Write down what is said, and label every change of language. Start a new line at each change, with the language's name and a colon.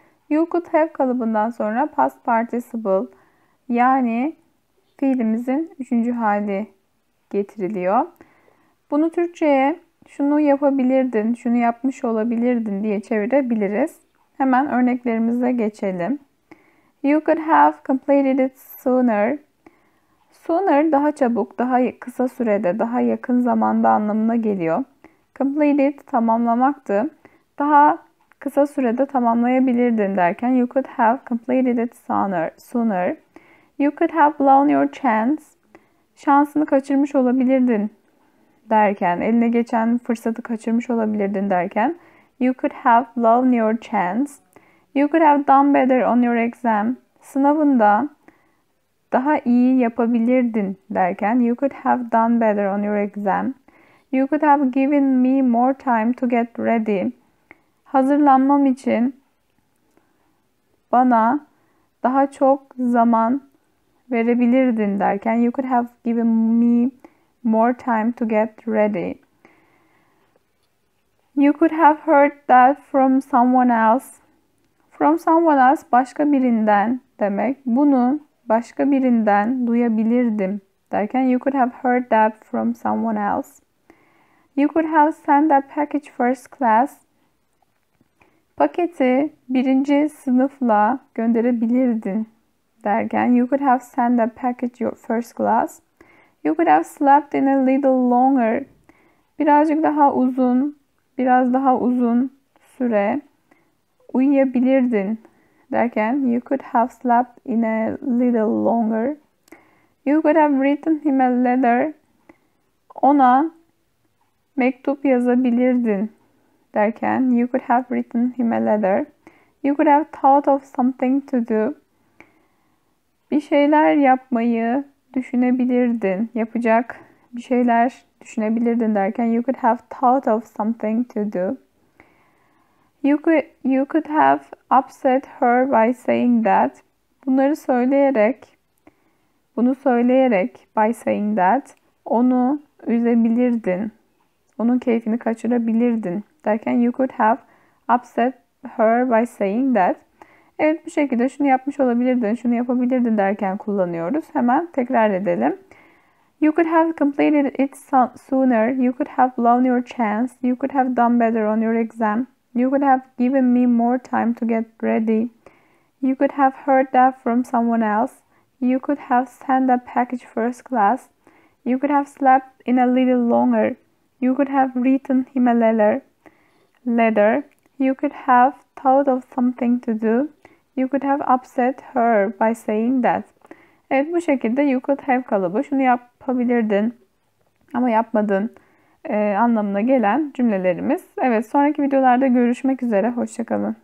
Turkish: You could have kalıbından sonra past participle, yani fiilimizin üçüncü hali getiriliyor. Bunu Türkçe'ye şunu yapabilirdin, şunu yapmış olabilirdin diye çevirebiliriz. Hemen örneklerimize geçelim.
English: You could have completed it sooner.
Turkish: Sooner daha çabuk, daha kısa sürede, daha yakın zamanda anlamına geliyor. Completed tamamlamaktı. Daha kısa sürede tamamlayabilirdin derken
English: you could have completed it sooner. You could have blown your chance.
Turkish: Şansını kaçırmış olabilirdin derken, eline geçen fırsatı kaçırmış olabilirdin derken
English: you could have blown your chance. You could have done better on your exam.
Turkish: Sınavında daha iyi yapabilirdin derken
English: you could have done better on your exam. You could have given me more time to get ready.
Turkish: Hazırlanmam için bana daha çok zaman verebilirdin derken
English: you could have given me more time to get ready. You could have heard that from someone else.
Turkish: From someone else başka birinden demek. Bunu başka birinden duyabilirdim derken
English: you could have heard that from someone else. You could have sent that package first class.
Turkish: Paketi birinci sınıfla gönderebilirdin derken
English: you could have sent that package your first class. You could have slept in a little longer.
Turkish: Birazcık daha uzun, biraz daha uzun süre uyuyabilirdin derken
English: you could have slept in a little longer. You could have written him a letter.
Turkish: Ona mektup yazabilirdin derken
English: you could have written him a letter. You could have thought of something to do.
Turkish: Bir şeyler yapmayı düşünebilirdin. Yapacak bir şeyler düşünebilirdin derken
English: you could have thought of something to do. You could have upset her by saying that.
Turkish: Bunları söyleyerek, bunu söyleyerek
English: by saying that
Turkish: onu üzebilirdin. Onun keyfini kaçırabilirdin derken
English: you could have upset her by saying that.
Turkish: Evet, bu şekilde şunu yapmış olabilirdin, şunu yapabilirdin derken kullanıyoruz. Hemen tekrar edelim.
English: You could have completed it sooner. You could have blown your chance. You could have done better on your exam. You could have given me more time to get ready. You could have heard that from someone else. You could have sent a package first class. You could have slept in a little longer. You could have written him a letter. You could have thought of something to do. You could have upset her by saying that.
Turkish: Evet, bu şekilde you could have kalıbı şunu yapabilirdin ama yapmadın anlamına gelen cümlelerimiz. Evet, sonraki videolarda görüşmek üzere. Hoşça kalın.